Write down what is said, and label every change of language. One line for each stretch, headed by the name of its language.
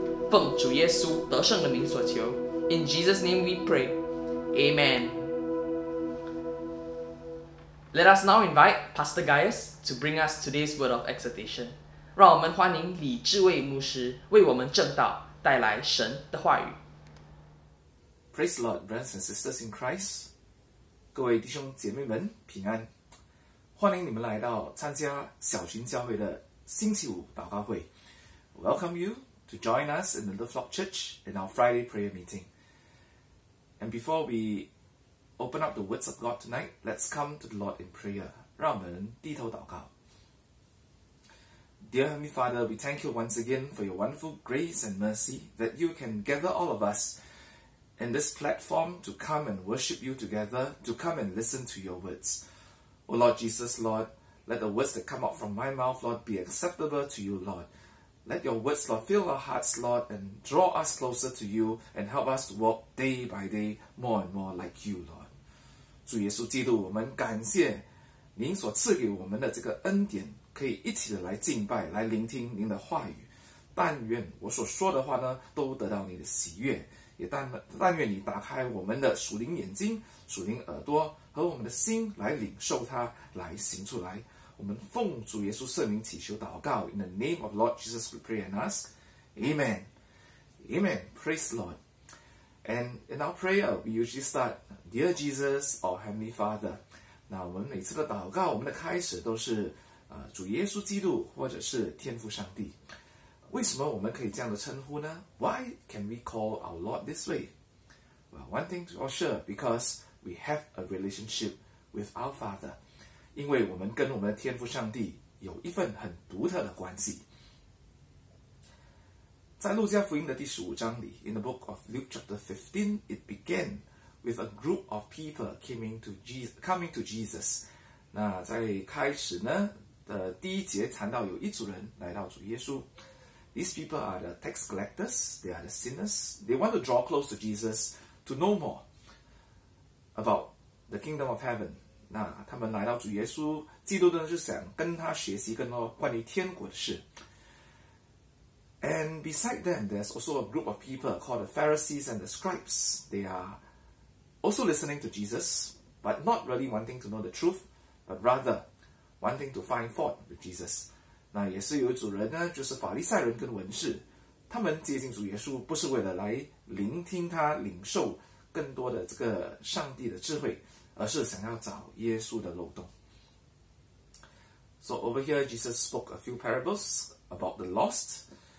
Chinese: 奉主耶稣得胜的名所求，
English: In Jesus' name we pray. Amen. Let us now invite Pastor Gaius to bring us today's word of exhortation.
Chinese: 让我们欢迎李智卫牧师为我们正道带来神的话语。
English: Praise the Lord, brothers and sisters in Christ.
Chinese: 各位弟兄姐妹们平安。欢迎你们来到参加小群教会的星期五祷告会。
English: Welcome you to join us in the Little Flock Church in our Friday prayer meeting. And before we open up the words of God tonight, let's come to the Lord in prayer.
Chinese: 让我们低头祷告。
English: Dear Heavenly Father, we thank you once again for your wonderful grace and mercy that you can gather all of us in this platform to come and worship you together, to come and listen to your words. O Lord Jesus, Lord, let the words that come out from my mouth, Lord, be acceptable to you, Lord. Let your words, Lord, fill our hearts, Lord, and draw us closer to you and help us to walk day by day more and more like you, Lord.
Chinese: 主耶稣基督，我们感谢您所赐给我们的这个恩典，可以一起的来敬拜，来聆听您的话语。但愿我所说的话呢，都得到你的喜悦，也但愿你打开我们的属灵眼睛、属灵耳朵和我们的心，来领受它，来行出来。我们奉主耶稣圣名祈求祷告，
English: In the name of Lord Jesus we pray and ask, Amen. Amen. Praise the Lord. And in our prayer, we usually start, Dear Jesus or Heavenly Father.
Chinese: 那我们每次的祷告，我们的开始都是、主耶稣基督或者是天父上帝。为什么我们可以这样的称呼呢？
English: Why can we call our Lord this way? Well, one thing for sure, because we have a relationship with our Father.
Chinese: 因为我们跟我们的天父上帝有一份很独特的关系。在路加福音的第15章里，
English: In the book of Luke chapter 15, it began with a group of people coming to Jesus.
Chinese: 那在开始呢的第一节谈到有一组人来到主耶稣。
English: These people are the tax collectors, they are the sinners. They want to draw close to Jesus to know more about the kingdom of heaven.
Chinese: 那他们来到主耶稣基督的就想跟他学习更多关于天国的事。
English: And beside them, there's also a group of people called the Pharisees and the scribes. They are also listening to Jesus, but not really wanting to know the truth, but rather wanting to find fault with Jesus.
Chinese: 那也是有一组人呢，就是法利赛人跟文士，他们接近主耶稣不是为了来聆听他领受更多的这个上帝的智慧，而是想要找耶稣的漏洞。
English: So over here, Jesus spoke a few parables about the lost.